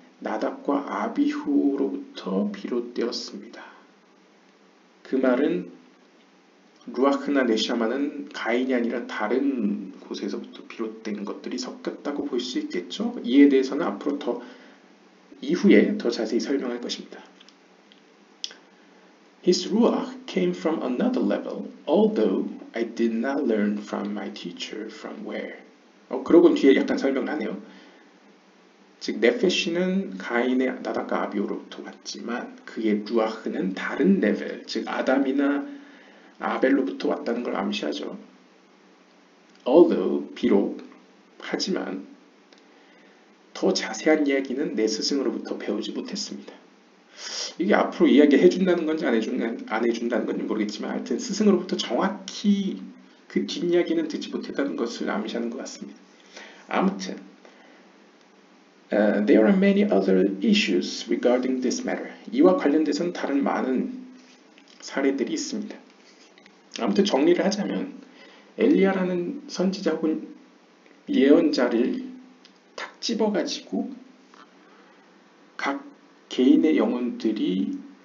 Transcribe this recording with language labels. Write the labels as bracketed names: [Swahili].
[Korean] 나답과 아비후로부터 비롯되었습니다. 그 말은 루아크나 네샤마는 가인이 아니라 다른 곳에서부터 비롯된 것들이 섞였다고 볼 수 있겠죠. 이에 대해서는 앞으로 더 이후에 더 자세히 설명할 것입니다. [English] His Ruach came from another level, although I did not learn from my teacher from where. [Korean] 그러고는 뒤에 약간 설명을 하네요. 즉, 네페시는 가인의 나닥과 아비오로부터 왔지만 그의 루아흐는 다른 레벨, 즉 아담이나 아벨로부터 왔다는 걸 암시하죠. Although, 비록, 하지만 더 자세한 이야기는 내 스승으로부터 배우지 못했습니다. 이게 앞으로 이야기 해준다는 건지 안 해준다는 건지 모르겠지만 하여튼 스승으로부터 정확히 그 뒷이야기는 듣지 못했다는 것을 암시하는 것 같습니다. [English] 아무튼 there are many other issues regarding this matter. [Korean] 이와 관련돼서는 다른 많은 사례들이 있습니다. 아무튼 정리를 하자면 엘리야라는 선지자 혹은 예언자를 탁 집어가지고 각 개인의 영혼들이